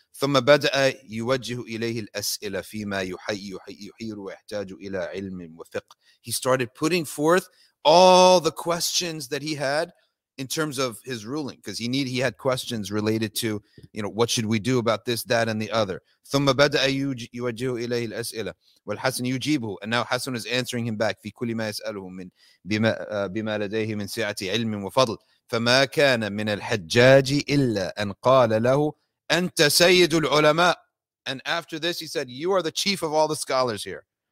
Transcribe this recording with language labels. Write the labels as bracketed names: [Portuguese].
[Arabic] ثُمَّ بَدَأَ يُوَجِّهُ إِلَيْهِ الْأَسْئِلَ فِي مَا يُحَيِّرُ وَيَحْتَاجُ إِلَىٰ عِلْمٍ وَفِقْهٍ. [English] He started putting forth all the questions that he had in terms of his ruling, because he had questions related to, you know, what should we do about this, that, and the other. [Arabic] ثم بدا يوجه اليه الاسئله والحسن يجيبه. [English] And now Hassan is answering him back. [Arabic] في كل ما يساله من بما لديه من سعه علم وفضل فما كان من الحجاج الا ان قال له انت سيد العلماء. [English] And after this he said, you are the chief of all the scholars here.